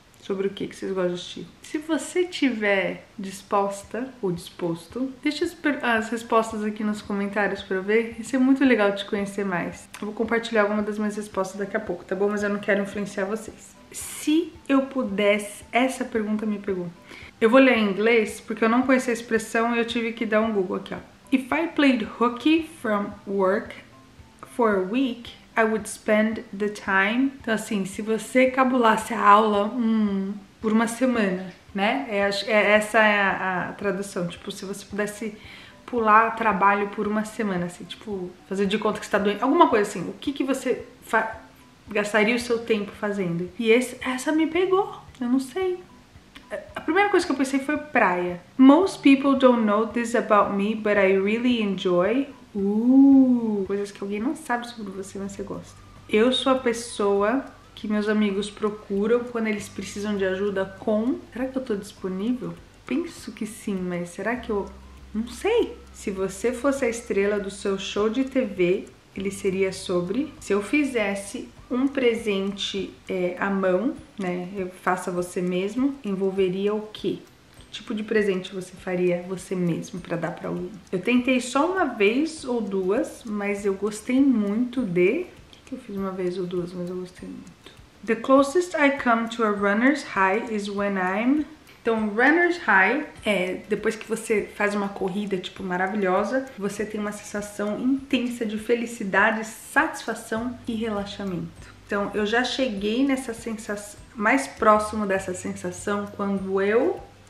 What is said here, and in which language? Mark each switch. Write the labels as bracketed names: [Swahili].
[Portuguese] Sobre o que vocês gostam de assistir? Se você tiver disposta ou disposto, deixa as respostas aqui nos comentários pra eu ver. Isso é muito legal te conhecer mais. Eu vou compartilhar alguma das minhas respostas daqui a pouco, tá bom? Mas eu não quero influenciar vocês. Se eu pudesse... Essa pergunta me pegou. Eu vou ler em inglês porque eu não conhecia a expressão e eu tive que dar um Google aqui, ó. [English] If I played hooky from work for a week... I would spend the time. [Portuguese] Então, assim, se você cabulasse a aula por uma semana, né? Essa é a tradução. Tipo, se você pudesse pular trabalho por uma semana, assim, tipo, fazer de conta que você tá doente, alguma coisa assim. O que que você gastaria o seu tempo fazendo? E essa me pegou. Eu não sei. A primeira coisa que eu pensei foi praia. [English] Most people don't know this about me, but I really enjoy. [Portuguese] Coisas que alguém não sabe sobre você, mas você gosta. Eu sou a pessoa que meus amigos procuram quando eles precisam de ajuda com... Será que eu tô disponível? Penso que sim, mas será que eu... Não sei. Se você fosse a estrela do seu show de TV, ele seria sobre... Se eu fizesse um presente à mão, né, eu faça você mesmo, envolveria o quê? Tipo de presente você faria você mesmo pra dar pra alguém? Eu tentei só uma vez ou duas, mas eu gostei muito de... O que eu fiz uma vez ou duas, mas eu gostei muito? [English] The closest I come to a runner's high is when I'm... [Portuguese] Então, runner's high é depois que você faz uma corrida, tipo, maravilhosa, você tem uma sensação intensa de felicidade, satisfação e relaxamento. Então, eu já cheguei nessa sensação... Mais próximo dessa sensação quando eu...